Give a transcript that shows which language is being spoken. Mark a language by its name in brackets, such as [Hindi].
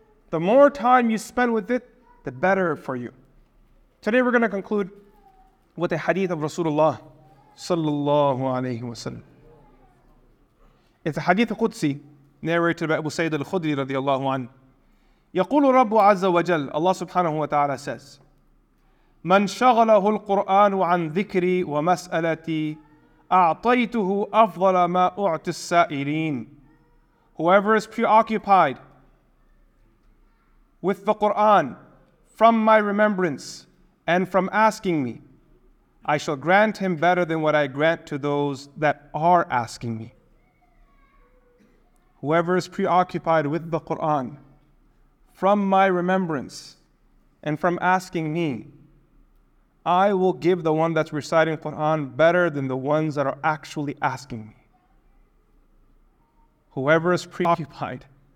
[English] The more time you spend with it, the better for you. Today we're going to conclude with a hadith of Rasulullah sallallahu alayhi wasallam. It's a hadith Qudsi narrated by Abu Sayyid al-Khudri radiallahu anhu. [Arabic] يقول رب عز وجل, [English] Allah subhanahu wa ta'ala says, [Arabic] من شغله القرآن عن ذكري ومسألتي أعطيته أفضل ما أعطي السائلين. [English] Whoever is preoccupied with the Quran from my remembrance and from asking me, I shall grant him better than what I grant to those that are asking me. Whoever is preoccupied with the Quran from my remembrance and from asking me, I will give the one that's reciting Quran better than the ones that are actually asking me. Whoever is preoccupied